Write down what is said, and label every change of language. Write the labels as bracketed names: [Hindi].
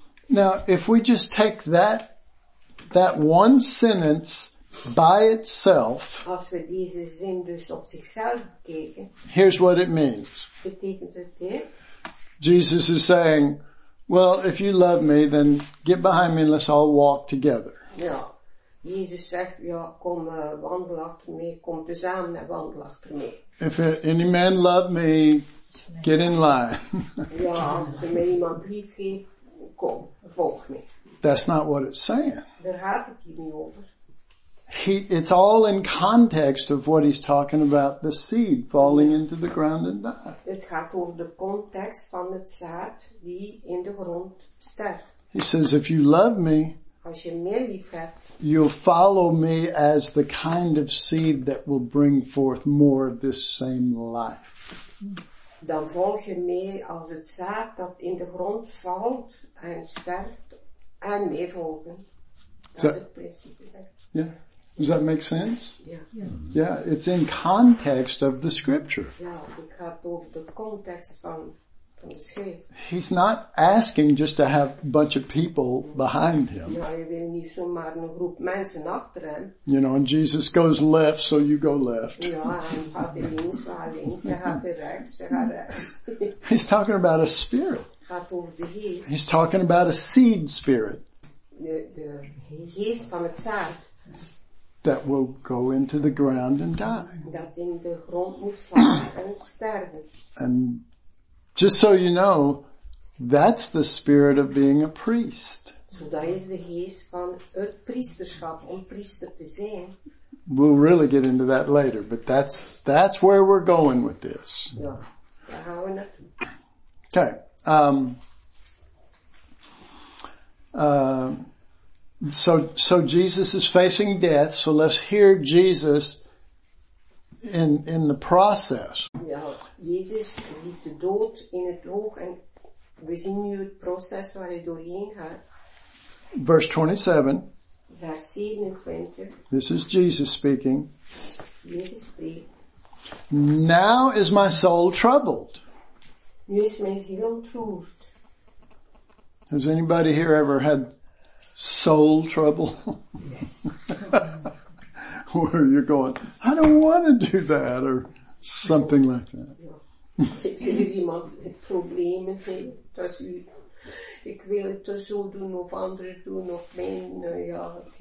[English] Now, if we just take that one sentence by itself. [Dutch] Als we deze zin dus op zichzelf kijken. [English] Here's what it means. [Dutch] Betekent het dit? [English] Jesus is saying, well, if you love me, then get behind me and let's all walk together. [Dutch] Ja. Jezus zegt, ja, kom wandel achter mij, kom tezamen en wandel achter mij. [English] If any man love me, get in line. [Dutch] Ja, als er mij iemand lief geeft, kom, volg me. [English] That's not what it's saying. [Dutch] Daar gaat het hier niet over. [English] It's all in context of what he's talking about, the seed falling into the ground and die. [Dutch] Het gaat over de context van het zaad die in de grond sterft. [English] He says, if you love me, [Dutch] als je mij lief hebt, [English] you'll follow me as the kind of seed that will bring forth more of this same life. [Dutch] Dan volg je mij als het zaad dat in de grond valt en sterft en mij volgen. Dat is het principe. [English] Yeah. Does that make sense? Yeah. Yeah, it's in context of the scripture. Yeah, it [Dutch] gaat over the context van de schrift. [English] He's not asking just to have a bunch of people behind him. [Dutch] Ja, je wil niet zomaar een groep mensen achter hem. [English] You know, and Jesus goes left, so you go left. [Dutch] Ja, en gaat links, ga links, ze gaat rechts, ze gaat rechts. [English] He's talking about a spirit. [Dutch] Gaat over de geest. [English] He's talking about a seed spirit. [Dutch] De geest van het zaad. [English] That will go into the ground and die. [Dutch] Dat in de grond moet vallen en sterven. [English] And just so you know, that's the spirit of being a priest. [Dutch] So dat is de geest van het priesterschap, om priester te zijn. [English] We'll really get into that later, but that's where we're going with this. [Dutch] Ja, daar gaan we naartoe. [English] Okay. So Jesus is facing death, so let's hear Jesus in the process. [Dutch] Ja, Jezus ziet de dood in het oog en we zien nu het proces waar hij doorheen gaat. [English] verse 27. [Dutch] Vers 27. [English] This is Jesus speaking. [Dutch] Jesus spreekt. [English] Now is my soul troubled. [Dutch] Nu is mijn ziel ontroerd. [English] Has anybody here ever had soul trouble? Yes. Where you're going, I don't want to do that, or something like that. [Dutch] Heeft iemand problemen gehad? Als u, ik wil het zo doen of anders doen of mijn, ja.